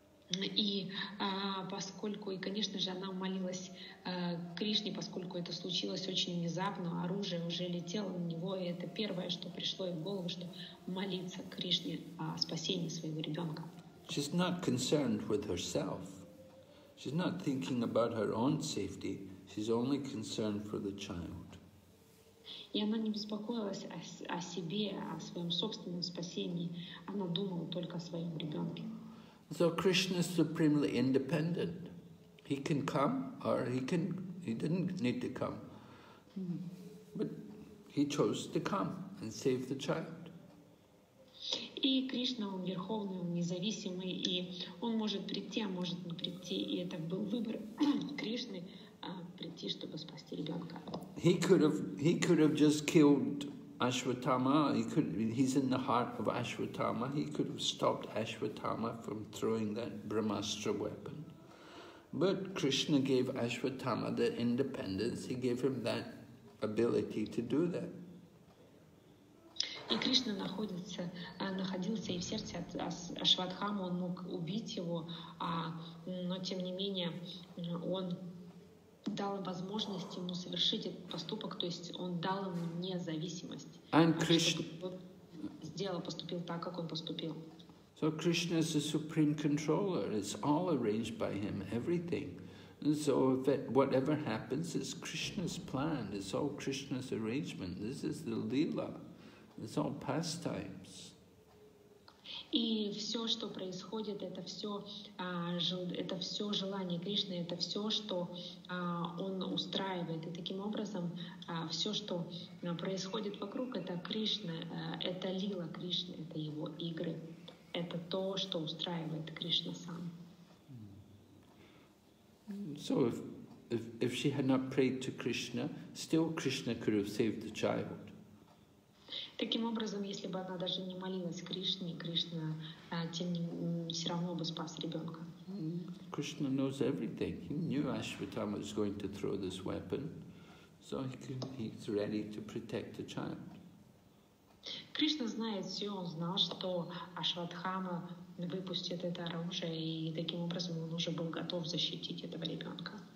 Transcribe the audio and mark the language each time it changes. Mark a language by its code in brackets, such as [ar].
[ru] И поскольку, и, конечно же, она молилась Кришне, поскольку это случилось очень внезапно, оружие уже летело на него, и это первое, что пришло ей в голову, что молиться Кришне о спасении своего ребенка. [en] She's not concerned with herself. She's not thinking about her own safety. She's only concerned for the child. [ru] И она не беспокоилась о себе, о своем собственном спасении. Она думала только о своем ребенке. [en] So Krishna is supremely independent. He can come or he didn't need to come. But he chose to come and save the child. [ru] И Кришна, он верховный, он независимый, и он может прийти, а может не прийти. И это был выбор Кришны, прийти, чтобы спасти ребенка. [en] He could have just killed Ashwatthama, he's in the heart of Ashwatthama, he could have stopped Ashwatthama from throwing that Brahmastra weapon. But Krishna gave Ashwatthama the independence, he gave him that ability to do that. [ru] И Кришна находился и в сердце Ашватхамы, он мог убить его, но тем не менее он дал возможность ему совершить этот поступок, то есть он дал ему независимость. [en] And Krishna [ru] сделал, поступил так, как он поступил. [en] So Krishna is the supreme controller. It's all arranged by him, everything. And so if it, whatever happens, it's Krishna's plan. It's all Krishna's arrangement. This is the lila. It's all pastimes. [ru] И все, что происходит, это все желание Кришны, это все, что он устраивает. И таким образом, все, что происходит вокруг, это Кришна, это лила Кришны, это его игры, это то, что устраивает Кришна сам. [en] So if she had not prayed to Krishna, still Krishna could have saved the child. [ru] Таким образом, если бы она даже не молилась Кришне, Кришна тем не все равно бы спас ребенка. [en] Krishna knows everything. He knew Ashwatthama was going to throw this weapon, so he's ready to protect the child. [ru] Кришна знает все, он знал, что Ашватхама выпустит это оружие, и таким образом он уже был готов защитить этого ребенка.